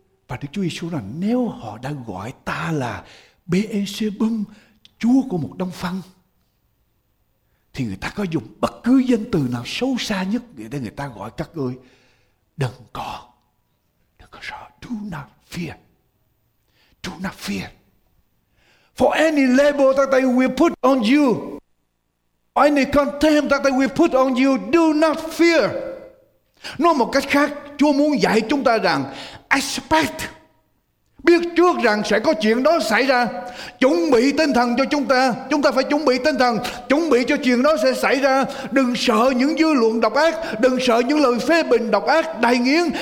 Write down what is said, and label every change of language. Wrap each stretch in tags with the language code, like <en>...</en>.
<vi>Và Đức Chúa Giêsu nói, nếu họ đã gọi ta là Beelzebub, Chúa của một đống phân, thì người ta có dùng bất cứ danh từ nào xấu xa nhất để người ta gọi các ngươi, đừng có sợ.</vi> <en>Do not fear. Do not fear. For any label that they will put on you, any contempt that they will put on you, do not fear.</en> <vi>Nói một cách khác, Chúa muốn dạy chúng ta rằng expect, biết trước rằng sẽ có chuyện đó xảy ra. Chuẩn bị tinh thần cho chúng ta. Chúng ta phải chuẩn bị tinh thần, chuẩn bị cho chuyện đó sẽ xảy ra. Đừng sợ những dư luận độc ác, đừng sợ những lời phê bình độc ác, đầy nghiến.</vi>